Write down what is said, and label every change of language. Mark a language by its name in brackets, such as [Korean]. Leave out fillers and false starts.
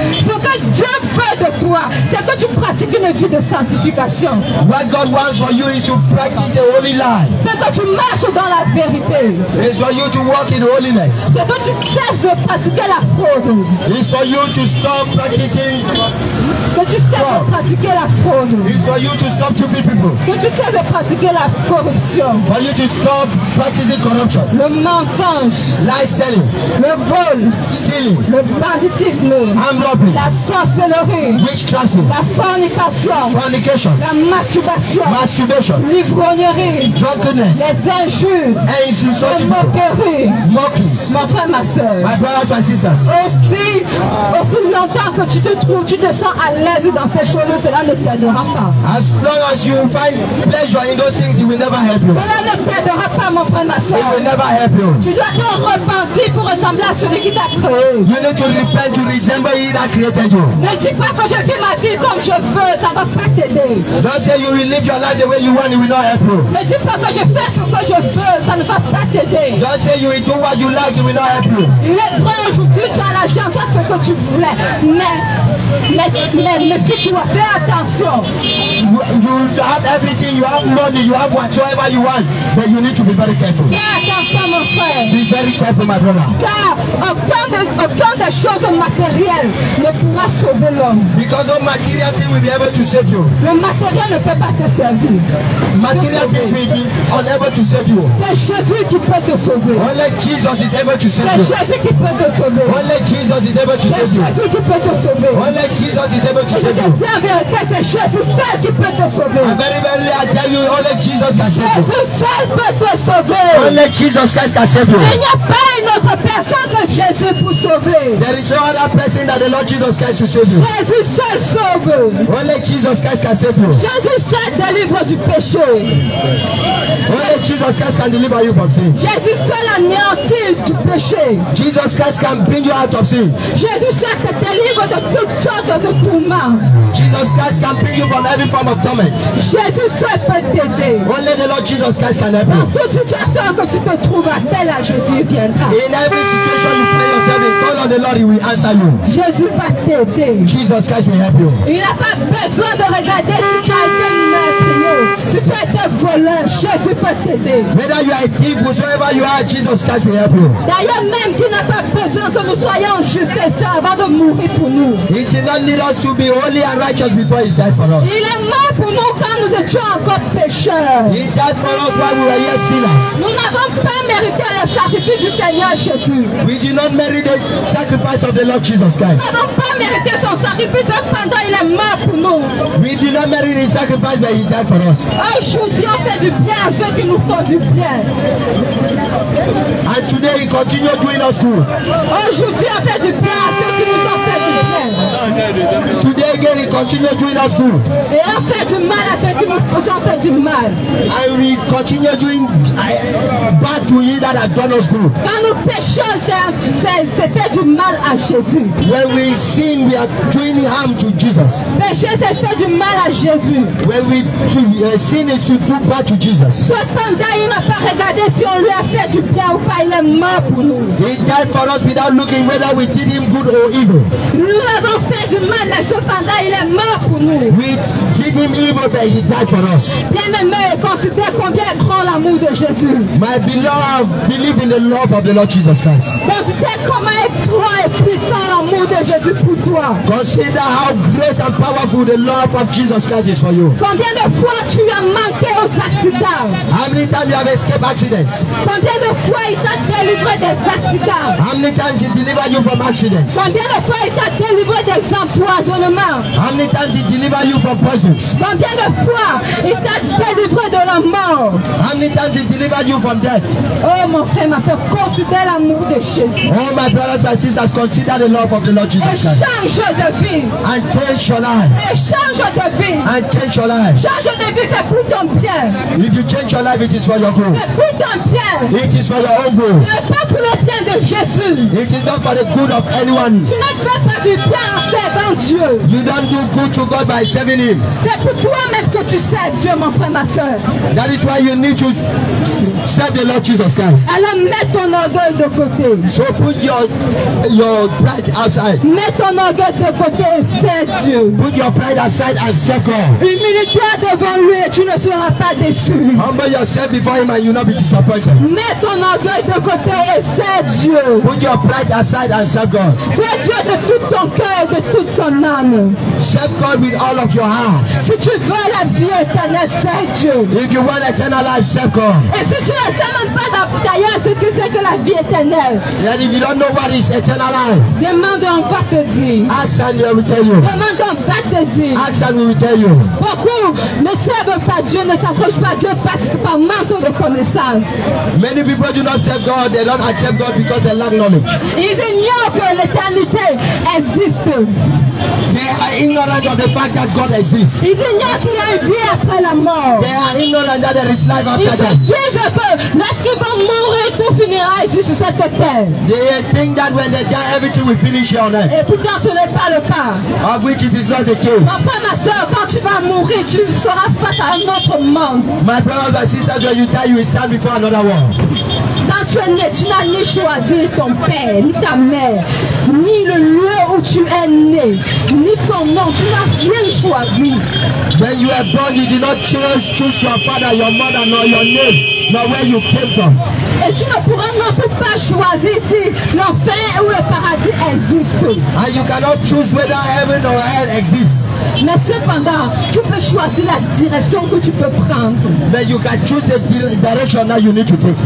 [French] Ce que Dieu veut de toi, c'est que tu pratiques une vie de sanctification. [English] What God wants for you is to practice a holy life. [French] C'est que tu marches dans la vérité. [English] It's for you to walk in holiness. [French] C'est que tu cesses de pratiquer la fraude. [English] It's for you to stop practicing. [French] Que tu cesses de pratiquer la fraude. [English] It's for you to stop stupid people. [French] Que tu cesses de pratiquer la corruption. [English] For you to stop practicing corruption. [French] Le mensonge. [English] Lies telling. [French] Le vol. [English] Stealing. [French] Le banditisme. [English] Arm robbery. [French] La sorcellerie. [English] Witchcraft. [French] La fornication. [English] Fornication. [French] La masturbation. [English] Masturbation. [French] L'ivrognerie. [English] Drunkenness. [French] Les injures. Et les moqueries. Moqueries. Mon frère, ma soeur. [English] My brothers and sisters. [French] Aussi longtemps que tu te trouves, tu te sens à l'aise dans ces choses, cela ne t'aidera pas. [English] As long as you find pleasure in those things, it will never help you. [French] Cela ne t'aidera pas, mon frère, ma soeur. [English] It will never help you. [French] Tu dois te repentir pour ressembler à celui qui t'a créé. [English] You need to repent to resemble He that created you. [French] Ne dis pas que je vis ma vie comme je veux, ça va pas t'aider. [English] Don't say you will live your life the way you want, it will not help you. [French] Ne dis pas que je fais ce que je veux, ça ne va pas t'aider. [English] Don't say you will do what you like, it will not help you. [French] Il est vrai aujourd'hui tu as la chance, c'est ce que tu voulais, mais si tu dois faire attention. [English] You have everything, you have money, you have whatsoever you want, but you need to be very careful. Be very careful, my brother. [French] Aucun des choses matérielles ne pourra sauver l'homme. [English] Because no material thing will be able to save you. [French] Le matériel ne peut pas te servir. [English] Material thing will be unable to save you. [French] C'est Jésus qui peut te sauver. [English] Only Jesus is able to save you. [French] C'est Jésus qui peut te sauver. [English] Only Jesus is able to save you. [French] C'est Jésus qui peut te sauver. [English] Only Jesus is able to save you. [French] C'est Jésus seul qui peut te sauver. [English] Very, I tell you, only Jesus can save you. [French] Jésus seul peut te sauver. [English] Only Jesus Christ can save you. [French] Il n'y a pas une autre personne que Jésus pour sauver. [English] There is no other person that the Lord Jesus Christ will save you. [French] Jésus seul sauve. [English] Only Jesus Christ can save you. [French] Jésus seul délivre du péché. [English] Only Jesus Christ can deliver you from sin. [French] Jésus seul anéantit du péché. [English] Jesus Christ can bring you out of sin. [French] Jésus seul te délivre de toutes sortes de tourments. [English] Jesus Christ can bring you from every form of torment. [French] Jésus seul peut t'aider. [English] Only the Lord Jesus Christ can help you. [French] Dans toute situation que tu te trouves, appelle à Jésus, viendra. [English] In every situation you find yourself in, call on the Lord, He will answer you. [French] Jésus va t'aider. [English] Jesus Christ will help you. [French] Il n'a pas besoin de regarder si tu as été meurtrier, si tu as été voleur. Jésus peut t'aider. [English] Whether you are a thief, whosoever you are, Jesus Christ will help you. [French] D'ailleurs même qu'il n'a pas besoin que nous soyons justes avant de mourir pour nous. [English] He did not need us to be holy and righteous before He died for us. [French] Il est mort pour nous quand nous étions encore pécheurs. [English] He died for us while we were yet sinners. [French] Nous n'avons pas mérité le sacrifice du Seigneur Jésus. [English] We did not merit the sacrifice of the Lord Jesus Christ. [French] Nous n'avons pas mérité son sacrifice pendant il est mort pour nous. [English] We did not merit his sacrifice, but He died for us. [French] Aujourd'hui on fait du bien à ceux qui nous font du bien. [English] And today He continues doing us good. [French] Aujourd'hui on fait du bien à ceux qui nous ont fait du bien. [English] Today again He continues doing us good. [French] Et on fait du mal à ceux qui nous ont fait du mal. [English] And we continue doing bad to him that have done us good. [French] Quand nous péchons, c'est faire du mal à Jésus. [English] When we sin, we are doing harm to Jesus. [French] Pécher, c'est faire du mal à Jésus. [English] When we sin is to do bad to Jesus. [French] Cependant, il n'a pas regardé si on lui a fait du bien ou pas. Il est mort pour nous. [English] He died for us without looking whether we did him good or evil. [French] Nous l'avons fait du mal, mais cependant, il est mort pour nous. [English] We did him evil, but he died for us. [French] Bien aimé, considère combien est grand l'amour de Jésus. [English] My beloved, believe in the love of the Lord Jesus Christ. [French] Considère comment est grand et puissant l'amour de Jésus pour toi. [English] Consider how great and powerful the love of Jesus Christ is for you. [French] Combien de fois tu as manqué aux accidents? [English] How many times you have escaped accidents? [French] Combien de fois il t'a délivré des accidents? [English] How many times he delivered you from accidents? [French] Combien de fois il t'a délivré des empoisonnements? [English] How many times he delivered you from prisons? [French] Combien de fois il t'a délivré de la mort? [English] How many times he delivered you from death? [French] Oh mon frère, ma soeur, considère l'amour de Jésus. [English] Oh my brothers, my sisters, consider the love of the Lord Jesus Christ. [French] Et change de vie. [English] And change your life. [French] Et change de vie. [English] And change your life. [French] Change de vie, c'est pour ton bien. [English] If you change your life, it is for your good. [French] C'est pour ton bien. [English] It is for your own good. [French] Ce n'est pas pour le bien de Jésus. [English] It is not for the good of anyone. [French] Tu ne fais pas du bien en servant Dieu. [English] You don't do good to God by serving Him. [French] C'est pour toi-même que tu sers Dieu, mon frère, ma soeur. [English] That is why you need to serve the Lord Jesus Christ. [French] Alors mets ton orgueil de côté. [English] So put your pride aside. [French] Mets ton orgueil de côté et sers Dieu. [English] Put your pride aside and serve God. [French] Humilie-toi devant lui et tu ne seras pas déçu. [English] Humble yourself before Him and you will not be disappointed. [French] Mets ton orgueil de côté et sers Dieu. [English] Put your pride aside and serve God. [French] Sers Dieu de tout ton cœur et de toute ton âme. [English] Serve God with all of your heart. [French] Si tu veux la vie éternelle, sers Dieu. [English] If you want eternal life, serve God. [French] Et si tu ne sais même pas d'ailleurs ce que c'est que la vie éternelle. [English] And if you don't know what is eternal life, [French] demande on va te dire. [English] Ask and we will tell you. [French] Demande on va te dire. [English] Ask and we will tell you. [French] Beaucoup ne servent pas Dieu, ne s'accrochent pas à Dieu parce que par manque de connaissance. [English] Many people do not serve God, they don't accept God because they lack knowledge. [French] Ils ignorent que l'éternité existe. [English] They are ignorant of the fact that God exists. [French] Ils ignorent qu'il y a une vie après la mort. [English] They are ignorant that there is life after death. [French] Ils disent que lorsqu'ils vont mourir, tout finira ici sur cette terre. [English] They think that when they die, everything will finish here on earth. [French] Et pourtant, ce n'est pas le cas. [English] Of which it is not the case. [French] Papa, ma soeur, quand tu vas mourir, tu seras face à un autre monde. [English] My brothers and sisters, when you die, you will stand before another one. [French] Quand tu es né, tu n'as ni choisi ton père, ni ta mère, ni le lieu où tu es né. Ni ton nom, tu n'as rien choisi. [English] When you were born, you did not choose your father, your mother, nor your name, nor where you came from. [French] Et tu ne pourras non plus pas choisir si l'enfer ou le paradis existent. [English] And you cannot choose whether heaven or hell exists. [French] Mais cependant, tu peux choisir la direction que tu peux prendre. [English] But you can choose the direction that you need to take.